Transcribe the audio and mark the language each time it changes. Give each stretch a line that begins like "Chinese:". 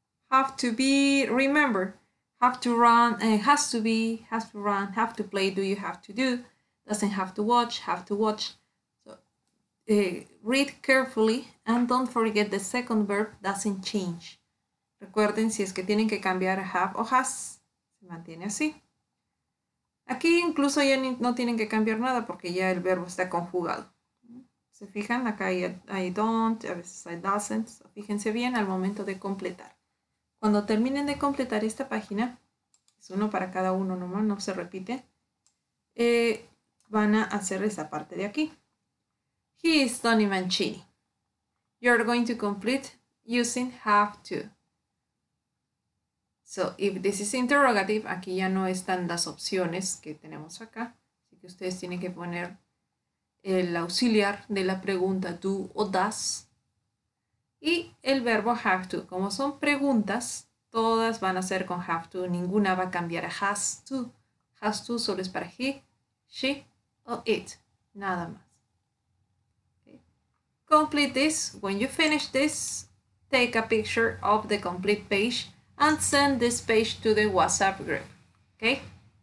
English: Have to be, remember, have to run, has to be, has to run, have to play, do you have to do, doesn't have to watch. So read carefully and don't forget the second verb doesn't change.
Spanish: Recuerden si es que tienen que cambiar a have o has. Se mantiene así. Aquí incluso ya no tienen que cambiar nada porque ya el verbo está conjugado. ¿Se fijan? Acá hay don't, a veces hay doesn't. So, fíjense bien al momento de completar. Cuando terminen de completar esta página, es uno para cada uno nomás, no se repite, van a hacer esa parte de aquí.
English: He is Tony Mancini. You're going to complete using have to. So, if this is interrogative,
Spanish: aquí ya no están las opciones que tenemos acá. Así que ustedes tienen que poner el auxiliar de la pregunta do o does. Y el verbo have to, como son preguntas, todas van a ser con have to, ninguna va a cambiar a has to. Has to solo es para he, she o it, nada más.
English: Okay. Complete this. When you finish this, take a picture of the complete page and send this page to the WhatsApp group. Okay?